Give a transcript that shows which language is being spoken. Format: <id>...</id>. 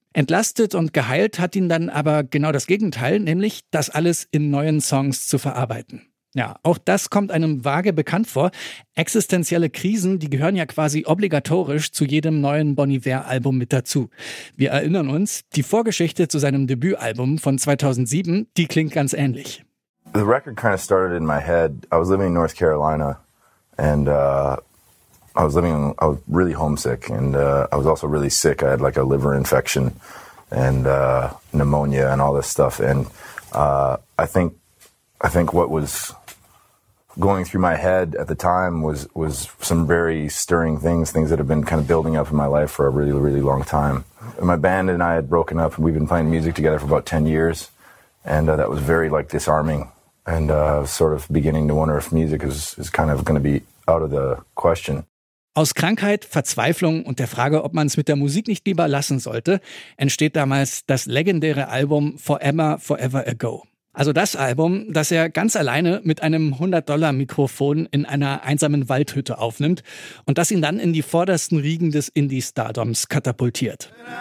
<de>Entlastet und geheilt hat ihn dann aber genau das Gegenteil, nämlich das alles in neuen Songs zu verarbeiten. Ja, auch das kommt einem vage bekannt vor. Existenzielle Krisen, die gehören ja quasi obligatorisch zu jedem neuen Bon Iver-Album mit dazu. Wir erinnern uns, die Vorgeschichte zu seinem Debütalbum von 2007, die klingt ganz ähnlich.</de> <en>The record kind of started in my head. I was living in North Carolina and I was really homesick and I was also really sick. I had like a liver infection and pneumonia and all this stuff. And I think what was going through my head at the time was some very stirring things that have been kind of building up in my life for a really, really long time. And my band and I had broken up and we've been playing music together for about 10 years. And that was very like disarming and sort of beginning to wonder if music is kind of going to be out of the question.</en> <de>Aus Krankheit, Verzweiflung und der Frage, ob man es mit der Musik nicht lieber lassen sollte, entsteht damals das legendäre Album Forever, Forever Ago. Also das Album, das er ganz alleine mit einem $100-Mikrofon in einer einsamen Waldhütte aufnimmt und das ihn dann in die vordersten Riegen des Indie-Stardoms katapultiert.</de>